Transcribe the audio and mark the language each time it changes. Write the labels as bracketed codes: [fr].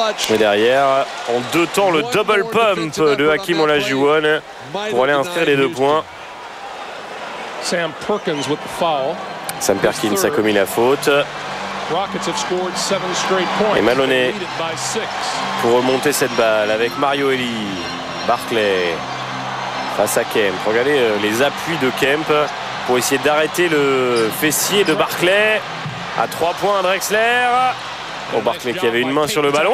[fr] Mais derrière, en deux temps, le double pump de Hakeem Olajuwon pour aller inscrire les deux points. [en] Sam Perkins with the foul. [fr] Sam Perkins a commis la faute. [en] Rockets have scored seven straight points. [fr] Et Maloney pour remonter cette balle avec Mario Eli. Barclay face à Kemp. Regardez les appuis de Kemp pour essayer d'arrêter le fessier de Barclay. À 3 points Drexler. Oh, Barclay qui avait une main sur le ballon.